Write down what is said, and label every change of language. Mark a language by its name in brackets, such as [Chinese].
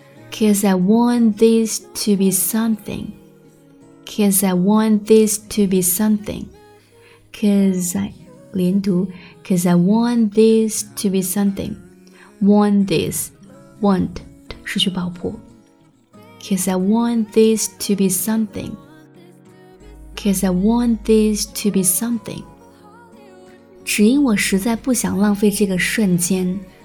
[English] Cause I want this to be something. Cause I want this to be something. Cause I [Chinese] 连读。 [English] Cause I want this to be something. [Chinese] Want thiswant 是去爆破。 [English] Cause I want this to be something. Cause I want this to be something. [Chinese] 只因我实在不想浪费这个瞬间。